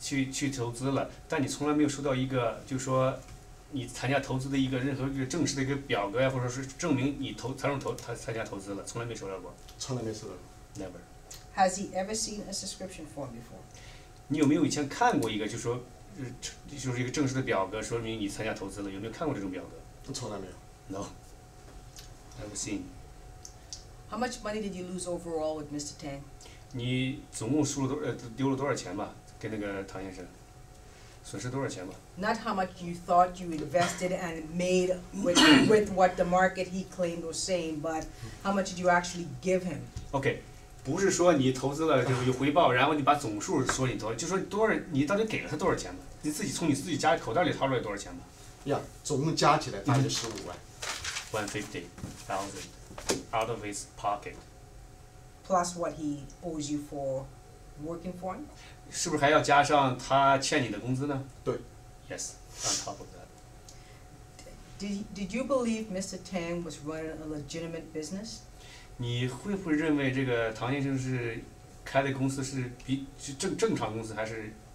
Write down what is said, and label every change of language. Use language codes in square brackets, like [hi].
[zh] 去投资了，但你从来没有收到一个，就是说，你参加投资的一个任何一个正式的一个表格呀，或者是证明你参加投资了，从来没收到过。从来没收到过。 [en] Never. Has he ever seen a subscription form before? [zh] 你有没有以前看过一个，就是一个正式的表格，说明你参加投资了？有没有看过这种表格？从来没有。 [en] No. Never seen. How much money did you lose overall with Mr. Tang? [zh] 你总共输了丢了多少钱吧？跟那个唐先生，损失多少钱吧 [en] ？Not how much you thought you invested and made with what the market he claimed was saying, but how much did you actually give him? [zh] Okay, 不是说你投资了就是有回报，然后你把总数说你多，就说多少，你到底给了他多少钱吧？你自己从你自己家口袋里掏出来多少钱吧？呀，总共加起来大约15万。 [en] 150,000 out of his pocket. Plus what he owes you for working for him. [zh] 是不是还要加上他欠你的工资呢? 对, [en] yes, on top of that. Did you believe Mr. Tang was running a legitimate business? [zh] 你会不会认为这个唐先生是开的公司是正常公司还是?